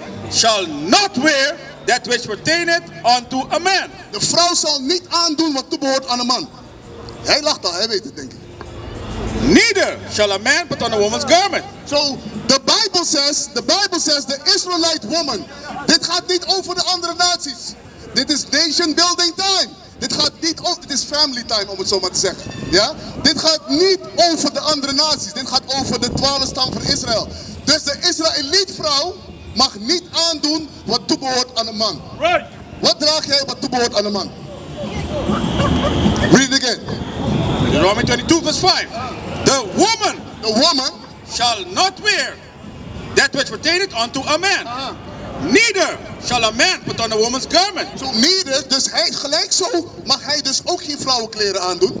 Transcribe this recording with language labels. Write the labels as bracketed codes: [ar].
[en] Shall not wear that which pertaineth unto a man. [nl] De vrouw zal niet aandoen wat toebehoort aan een man. Hij lacht al, hij weet het denk ik. [en] Neither shall a man put on a woman's garment. So, the Bible says, the Israelite woman. [nl] Dit gaat niet over de andere naties. Dit is [en] nation building time. [nl] Dit gaat niet over, dit is [en] family time [nl] om het zo maar te zeggen. Ja? Dit gaat niet over de andere naties. Dit gaat over de 12 stam van Israël. Dus de Israëliet vrouw mag niet aandoen wat toebehoort aan een man. [en] Right. [nl] Wat draag jij wat toebehoort aan een man? [en] Read it again. Romans 22 verse 5. The woman shall not wear that which pertaineth unto a man. Neither shall a man put on a woman's garment. So neither, [nl] dus hij gelijk zo mag hij dus ook geen vrouwenkleren aandoen.